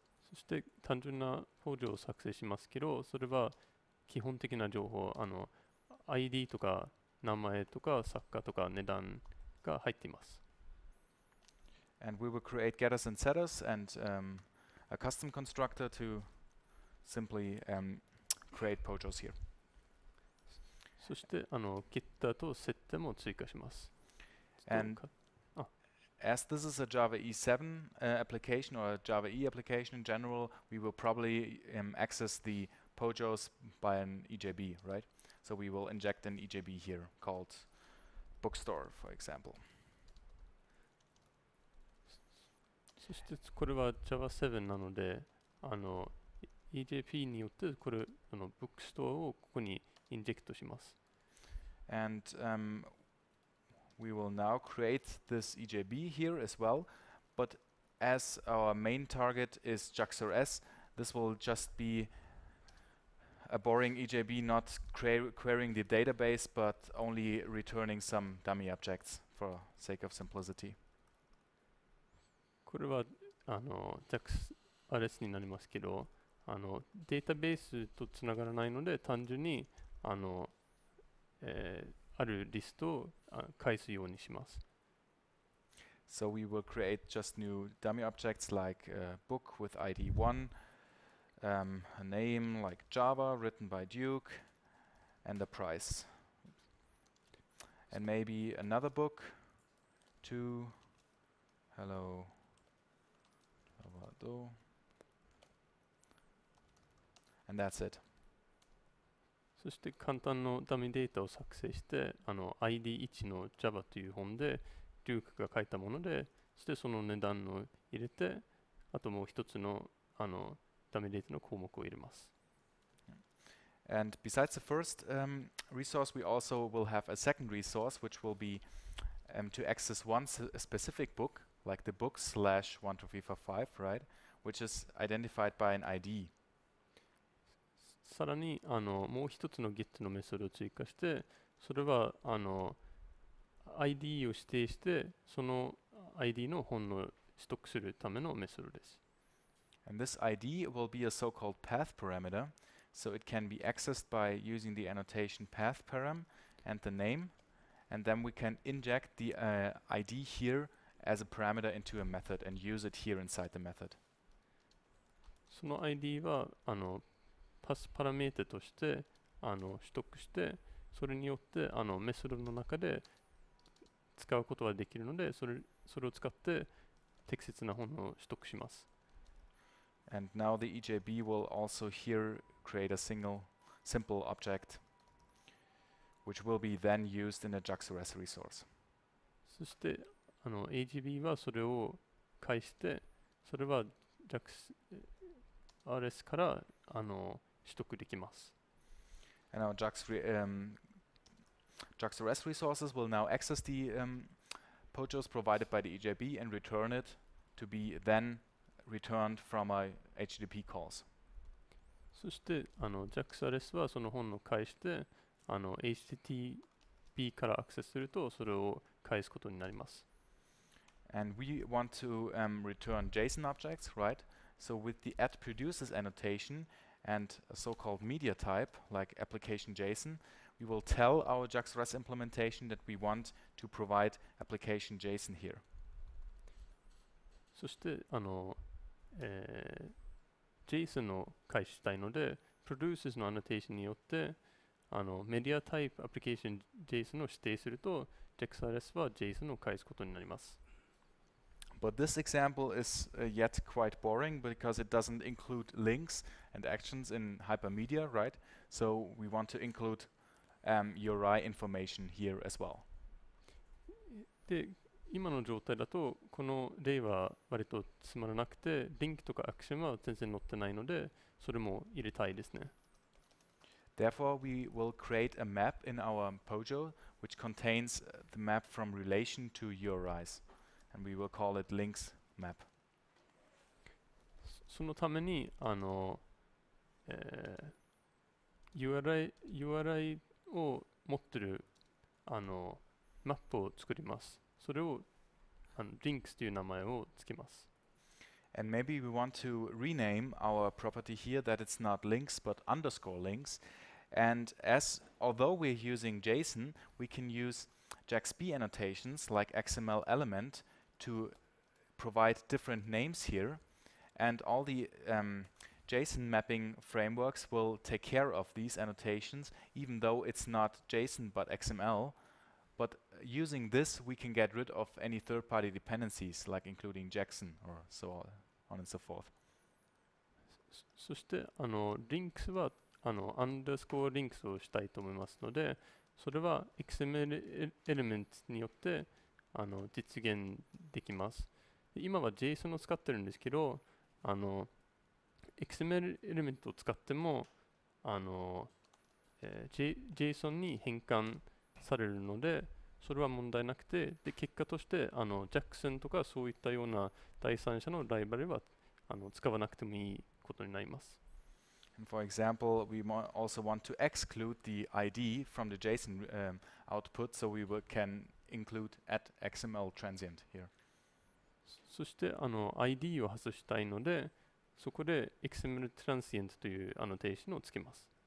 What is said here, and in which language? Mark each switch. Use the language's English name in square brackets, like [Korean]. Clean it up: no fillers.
[Japanese] そして単純なポジョを作成しますけど、それは基本的な情報、あの ID とか名前とか作家とか値段が入っています。 [English] And we will create getters and setters and a custom constructor to simply create POJOs here. [Japanese] そしてあのゲッターとセッターも追加します。 [English] And as this is a Java E7 application or a Java E application in general, we will probably access the POJOs by an EJB, right? So we will inject an EJB here called bookstore, for example. [Japanese] そしてこれは Java 7なので、あの EJP によってこれあの bookstore をここにインジェクトします。 [English] And we will now create this EJB here as well, but as our main target is JAX-RS, this will just be a boring EJB, not querying the database, but only returning some dummy objects for sake of simplicity. [Japanese] これはあの JAX-RS になりますけど、あのデータベースとつながらないので単純にあの、あるリストを返すようにします。 [English] So we will create just new dummy objects like a book with ID 1, a name like Java written by Duke, and a price. And maybe another book to hello JavaDo. And that's it. [Japanese] そして簡単のダミーデータを作成して、あの ID1 の Java という本で、Duke が書いたもので、そしてその値段を入れて、あともう一つの、あのダミーデータの項目を入れます。 [English] And besides the first resource, we also will have a second resource, which will be to access one specific book, like the book slash 12345, right? Which is identified by an ID. [Japanese] さらにあのもう一つの get のメソッドを追加して、それはあの ID を指定して、その ID の本を取得するためのメソッドです。 [English] And this ID will be a so-called path parameter, so it can be accessed by using the annotation path param and the name, and then we can inject the ID here as a parameter into a method and use it here inside the method. [Japanese] その ID はあのパスパラメータとしてあの取得して、それによってあのメソッドの中で使うことができるので、それを使って適切な本を取得します。 [English] And now the EJB will also here create a single simple object, which will be then used in a JAX-RS resource. [Japanese] そしてあの EJB はそれを返して、それは JAX-RS からあの取得できます。 [English] And our JAX-RS resources will now access the POJOs provided by the EJB and return it to be then returned from our HTTP calls. そしてあの JAX-RS はその本を返してあの HTTP からアクセスするとそれを返すことになります。 And we want to return JSON objects, right? So with the @produces annotation,and a so-called media type, like application JSON, we will tell our JAX-RS implementation that we want to provide application JSON here. [Japanese] そしてあの、JSON を返したいので、producers の annotation によって、あの、media type application JSON を指定すると、JAX-RS は JSON を返すことになります。 [English] But this example is yet quite boring because it doesn't include links and actions in Hypermedia, right? So we want to include URI information here as well. [Japanese] で、今の状態だとこの例は割とつまらなくて、リンクとかアクションは全然載ってないので、それも入れたいですね。 [English] Therefore, we will create a map in our POJO which contains the map from relation to URIs. And we will call it links map. [Japanese] そのためにあの、URI を持ってるあのマップを作ります。それをあの links という名前をつけます。 [English] And maybe we want to rename our property here that it's not links but underscore links. And as although we're using JSON, we can use JAX-B annotations like XML element to provide different names here, and all the JSON mapping frameworks will take care of these annotations, even though it's not JSON but XML. But using this, we can get rid of any third-party dependencies, like including JAXON or so on and so forth. [Japanese] そしてあのリンクスはあのアンダースコアリンクスをしたいと思いますので、それは XML エレメントによってあの実現できます。で今は JSON を使ってるんですけど、あの XML エレメントを使ってもあの、JSON に変換されるので、それは問題なくて、で結果としてあの JAXON とかそういったような第三者のライバルはあの使わなくてもいい。 [English] And for example, we also want to exclude the ID from the JSON output, so we can include at XML transient here. [Japanese] そしてあの ID を外したいので、そこで XML transient というアノテーションをつけます。